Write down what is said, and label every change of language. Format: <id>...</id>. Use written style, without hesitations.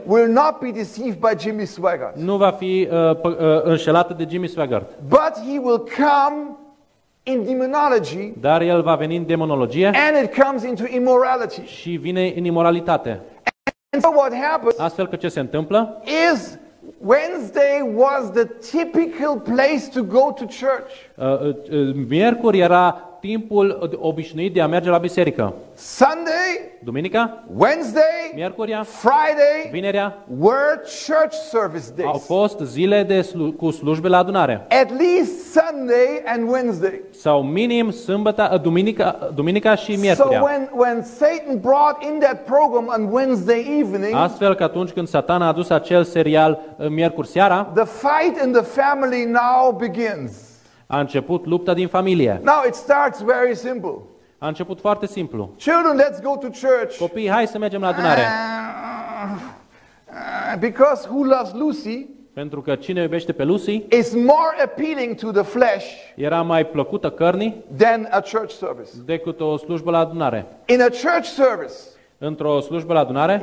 <en>Will not be deceived by Jimmy Swaggart.</en> <ro>Nu va fi înșelat de Jimmy Swaggart.</ro> <en>But he will come in demonology.</en> <ro>Dar el va veni în demonologie.</ro> <en>And it comes into immorality.</en> <ro>Și vine în imoralitate.</ro> <en>And so what happens?</en> <ro>Astfel că ce se întâmplă?</ro> <en>Is Wednesday was the typical place to go to church.</en> <ro>Miercuri era timpul obișnuit de a merge la biserică.</ro> <en>Sunday,</en> <ro>duminica,</ro> <en>Wednesday,</en> <ro>miercuria,</ro> <en>Friday,</en> <ro>vinerea,</ro> <en>were church service days.</en> <ro>Au fost zile de cu slujbe la adunare.</ro> <en>At least Sunday and Wednesday.</en> <ro>Sau minim sâmbătă, duminica și miercuria.</ro> <en>So when Satan brought in that program on Wednesday evening.</en> <ro>Astfel că atunci când Satan a adus acel serial miercuri seara,</ro> <en>the fight in the family now begins.</en> <ro>A început lupta din familie.</ro> <en>Now it starts very simple.</en> <ro>A început foarte simplu.</ro> <en>Children, let's go to church.</en> <ro>Copii, hai să mergem la adunare.</ro> <en>Because who loves Lucy?</en> <ro>Pentru că cine iubește pe Lucy?</ro> <en>Is more appealing to the flesh.</en> <ro>Era mai plăcută cărnii.</ro> <en>Than a church service.</en> <ro>Decât o slujbă la adunare.</ro> <en>In a church service.</en> <ro>Într-o slujbă la adunare.</ro>